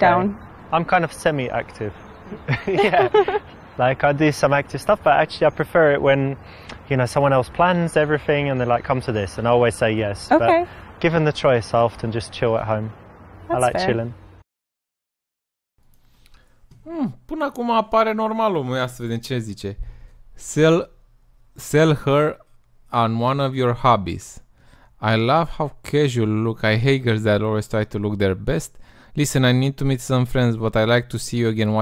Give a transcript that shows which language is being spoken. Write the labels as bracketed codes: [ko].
[en] Down. I'm kind of semi-active. Yeah. Like, I do some active stuff, but actually I prefer it when, you know, someone else plans everything and they're like, come to this, and I always say yes. Okay. But given the choice, I often just chill at home. That's I like fair. Chilling. [ro] Până acum apare normal omul, ia să vedem ce zice. [en] Sell her on one of your hobbies. I love how casual look. I hate girls that always try to look their best. Listen, I need to meet some friends, but I like to see you again.